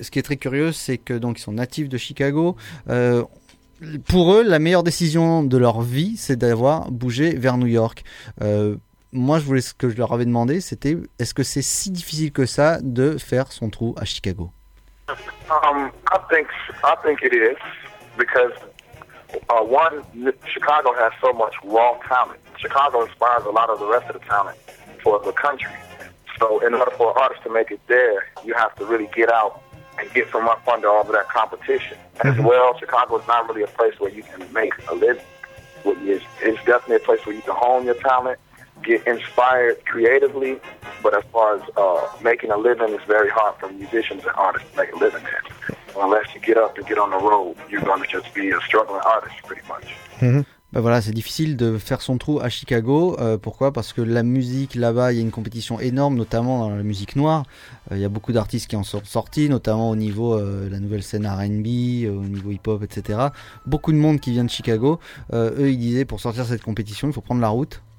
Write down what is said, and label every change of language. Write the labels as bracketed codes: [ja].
[fr] Ce qui est très curieux, c'est que donc ils sont natifs de Chicago. Pour eux, la meilleure décision de leur vie, c'est d'avoir bougé vers New York. Moi, ce que je leur avais demandé, c'était est-ce que c'est si difficile que ça de faire son trou à Chicago? [en] I think it is because Chicago has so much raw talent. Chicago inspires a lot of the rest of the talent for the country. So in order for an artist to make it there, you have to really get out and get from up under all of that competition. As mm-hmm. well, Chicago is not really a place where you can make a living. It's definitely a place where you can hone your talent, get inspired creatively, but as far as making a living, it's very hard for musicians and artists to make a living at. Well, unless you get up and get on the road, you're going to just be a struggling artist pretty much. Mm-hmm. [fr] Ben voilà, c'est difficile de faire son trou à Chicago. Pourquoi ? Parce que la musique là-bas, il y a une compétition énorme, notamment dans la musique noire. Il y a beaucoup d'artistes qui en sont sortis, notamment au niveau de la nouvelle scène R&B, au niveau hip-hop, etc. Beaucoup de monde qui vient de Chicago. Eux, ils disaient, pour sortir cette compétition, il faut prendre la route.